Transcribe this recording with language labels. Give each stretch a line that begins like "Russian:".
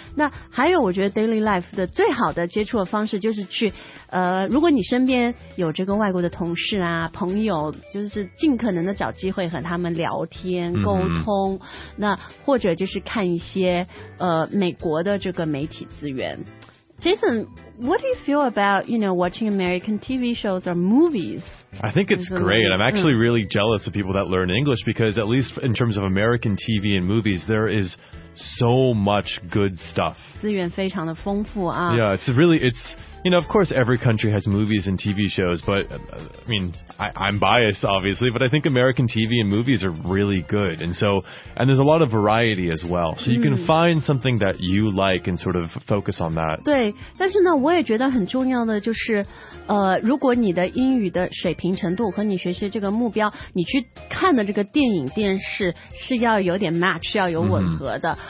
Chinese: 那还有我觉得
English: daily life
Chinese: 的最好的接触的方式就是去如果你身边有这个外国的同事啊朋友，就是尽可能的找机会和他们聊天沟通、嗯、那或者就是看一些美国的这个媒体资源。
English: Jason, what do you feel about, you know, watching American TV shows or movies? I think it's great. I'm actually really jealous of people that learn English because at least in terms of American TV and movies, there is so much good stuff.
Chinese: 资源非常的丰富啊。
English: Yeah, it's really, you know, of course every country has movies and TV shows, but, I mean, I'm biased, obviously, but I think American TV and movies are really good. And so, and there's a lot of variety as well. So you can find something that you like and sort of focus on that.
Chinese: 对，但是呢，我也觉得很重要的就是，如果你的英语的水平程度和你学习这个目标，你去看的这个电影电视是要有点 match， 要有吻合的。